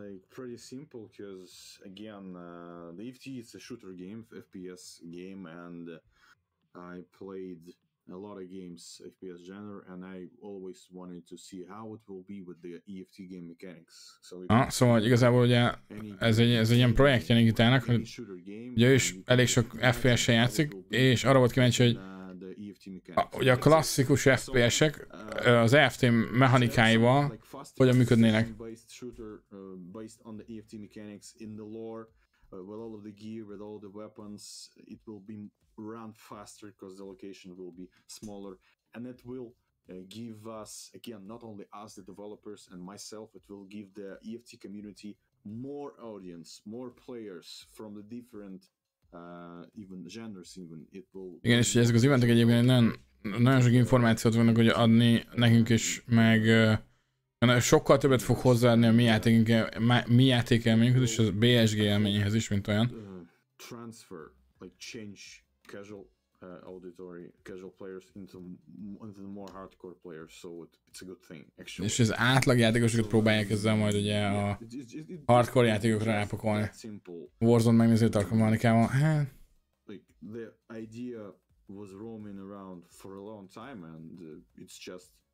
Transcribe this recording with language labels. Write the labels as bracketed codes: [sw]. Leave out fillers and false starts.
[en] Pretty simple, because again, the EFT is a shooter game, FPS game, and I played a lot of games FPS genre, and I always wanted to see how it will be with the EFT game mechanics. [hu] So igazából ugye ez egy ilyen projektje Nikitának, hogy ő is elég sok FPS-e játszik, és arra volt kíváncsi, hogy ugye a klasszikus FPS-ek az EFT mechanikáival hogyan működnének. [en] Based on the EFT mechanics in the lore, with all of the gear, with all the weapons, it will be run faster because the location will be smaller, and it will give us, again, not only us the developers and myself, it will give the EFT community more audience, more players from the different even genres. Even it will. [hu] Igen, és ezek az eventek egyébként nagyon sok információt vannak, hogy adni nekünk is, meg sokkal többet fog hozzáadni a mi játék élményhez és a BSG élményhez is, mint olyan. [en] Transfer, like change casual auditory, casual players into the more hardcore players, so it's a good thing, actually. [hu] És az átlag játékosokat próbálják ezzel majd ugye a hardcore játékokra rápakolni. Warzone megnézni Tarkov Manikával, hát... [en] Like, the idea was roaming around for a long time and it's just...